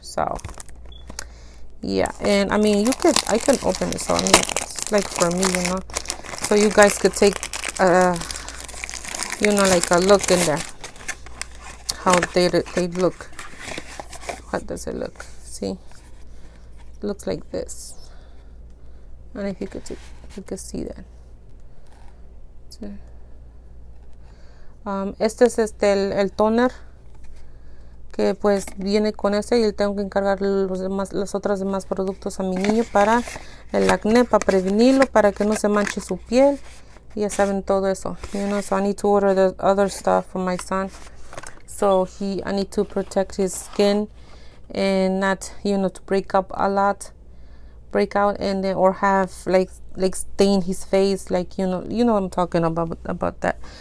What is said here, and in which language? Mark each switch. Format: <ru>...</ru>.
<en>So yeah, and I mean, you could, I can open it, so I mean, it's like for me, you know, so you guys could take you know, like a look in there, how they look. What does it look? See, it looks like this. And if you could take, you could see that.</en> <es>Este es el toner que pues viene con ese, y tengo que encargar los otros demás productos a mi niño para el acné, para prevenirlo, para que no se manche su piel. Ya saben todo eso.</es> <en>You know, so I need to order the other stuff for my son, so I need to protect his skin and not, you know, to break up a lot, break out, and then, or have like stain his face, like you know what I'm talking about that.</en>